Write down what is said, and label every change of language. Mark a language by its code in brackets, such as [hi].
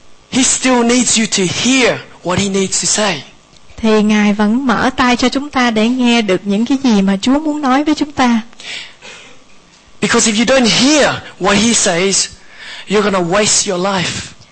[en] He still needs you to hear what He needs to say. [vi] Thì Ngài vẫn mở tai cho chúng ta để nghe được những cái gì mà Chúa muốn nói với chúng ta. [en] Because if you don't hear what He says, you're going to waste your life.